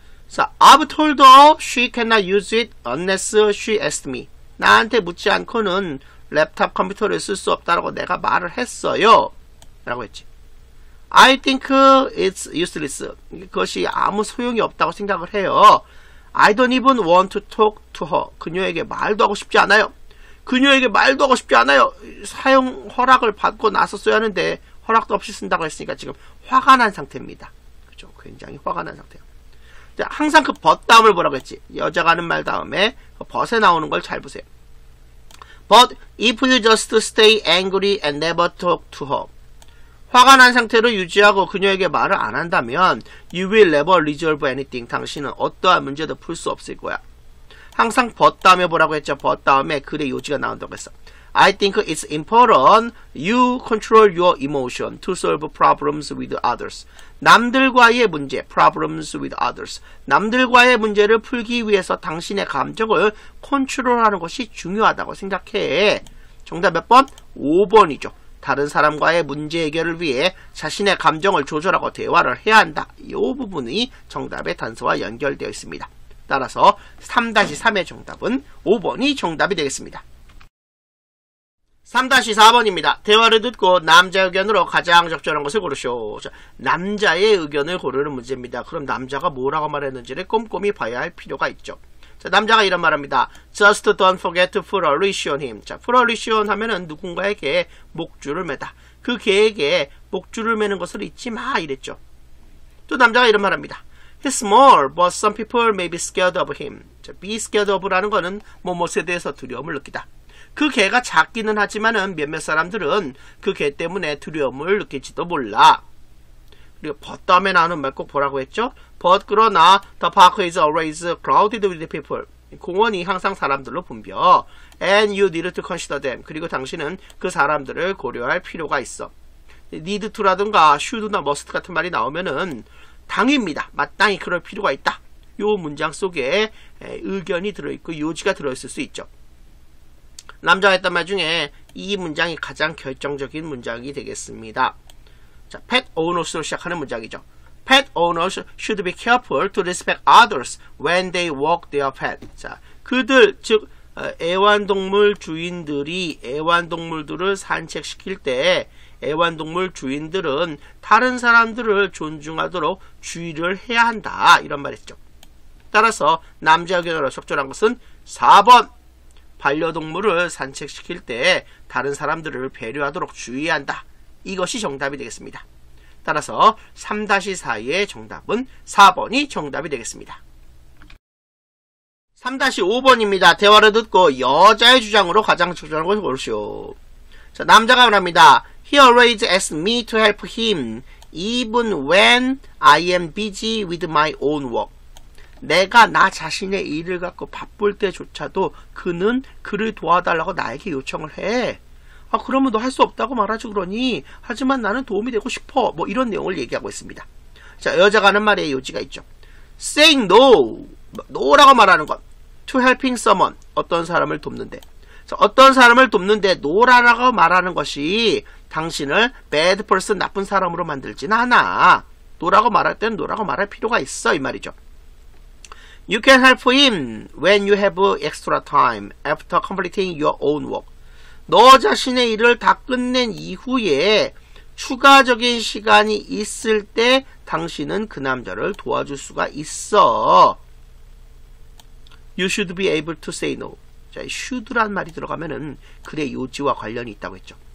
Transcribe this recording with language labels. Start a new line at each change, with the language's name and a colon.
English: So, I've told her she cannot use it unless she asked me.
Korean: 나한테 묻지 않고는 랩탑 컴퓨터를 쓸 수 없다라고 내가 말을 했어요. 라고 했지.
English: I think it's useless.
Korean: 그것이 아무 소용이 없다고 생각을 해요.
English: I don't even want to talk to her.
Korean: 그녀에게 말도 하고 싶지 않아요. 그녀에게 말도 하고 싶지 않아요. 사용 허락을 받고 나서 써야 하는데 허락도 없이 쓴다고 했으니까 지금 화가 난 상태입니다. 그죠? 굉장히 화가 난 상태예요. 자, 항상 그 but 다음을 보라고 했지. 여자가 하는 말 다음에 그 but에 나오는 걸 잘 보세요.
English: But if you just stay angry and never talk to her.
Korean: 화가 난 상태로 유지하고 그녀에게 말을 안 한다면
English: you will never resolve anything.
Korean: 당신은 어떠한 문제도 풀 수 없을 거야. 항상 but 다음에 보라고 했죠. but 다음에 글의 요지가 나온다고 했어.
English: I think it's important you control your emotion to solve problems with others.
Korean: 남들과의 문제,
English: problems with others.
Korean: 남들과의 문제를 풀기 위해서 당신의 감정을 컨트롤하는 것이 중요하다고 생각해. 정답 몇 번? 5번이죠. 다른 사람과의 문제 해결을 위해 자신의 감정을 조절하고 대화를 해야 한다. 이 부분이 정답의 단서와 연결되어 있습니다. 따라서 3-3의 정답은 5번이 정답이 되겠습니다. 3-4번입니다. 대화를 듣고 남자 의견으로 가장 적절한 것을 고르시오. 자, 남자의 의견을 고르는 문제입니다. 그럼 남자가 뭐라고 말했는지를 꼼꼼히 봐야 할 필요가 있죠. 자, 남자가 이런 말합니다.
English: Just don't forget to put a leash on him.
Korean: 자, put a leash on 하면은 누군가에게 목줄을 매다. 그 개에게 목줄을 매는 것을 잊지 마 이랬죠. 또 남자가 이런 말합니다.
English: He's small, but some people may be scared of him.
Korean: 자, be scared of라는 것은 뭐뭐에 대해서 두려움을 느끼다. 그 개가 작기는 하지만은 몇몇 사람들은 그 개 때문에 두려움을 느낄지도 몰라. 그리고 but 다음에 나오는 말 꼭 보라고 했죠?
English: But 그러나 the park is always crowded with people.
Korean: 공원이 항상 사람들로 붐벼.
English: And you need to consider them.
Korean: 그리고 당신은 그 사람들을 고려할 필요가 있어. Need to라든가 should나 must 같은 말이 나오면은 당입니다. 마땅히 그럴 필요가 있다. 이 문장 속에 의견이 들어있고 요지가 들어있을 수 있죠. 남자가 했던 말 중에 이 문장이 가장 결정적인 문장이 되겠습니다. 자, pet owners로 시작하는 문장이죠.
English: Pet owners should be careful to respect others when they walk their pet.
Korean: 자, 그들, 즉 애완동물 주인들이 애완동물들을 산책시킬 때 애완동물 주인들은 다른 사람들을 존중하도록 주의를 해야 한다. 이런 말이죠. 따라서 남자 의견으로 적절한 것은 4번. 반려동물을 산책시킬 때 다른 사람들을 배려하도록 주의해야 한다. 이것이 정답이 되겠습니다. 따라서 3-4의 정답은 4번이 정답이 되겠습니다. 3-5번입니다. 대화를 듣고 여자의 주장으로 가장 적절한 것을 고르시오. 자, 남자가 말합니다.
English: He always asks me to help him, even when I am busy with my own work.
Korean: 내가 나 자신의 일을 갖고 바쁠 때조차도 그는 그를 도와달라고 나에게 요청을 해. 아, 그러면 너 할 수 없다고 말하지 그러니? 하지만 나는 도움이 되고 싶어. 뭐 이런 내용을 얘기하고 있습니다. 자, 여자가 하는 말에 요지가 있죠.
English: Saying no, no라고
Korean: 말하는 것.
English: To helping someone,
Korean: 어떤 사람을 돕는데. 어떤 사람을 돕는데 노라라고 말하는 것이 당신을
English: bad person,
Korean: 나쁜 사람으로 만들진 않아. 노라고 말할 때는 노라고 말할 필요가 있어, 이 말이죠.
English: You can help him when you have extra time after completing your own work.
Korean: 너 자신의 일을 다 끝낸 이후에 추가적인 시간이 있을 때 당신은 그 남자를 도와줄 수가 있어.
English: You should be able to say no.
Korean: 자, should란 말이 들어가면은 그의 요지와 관련이 있다고 했죠.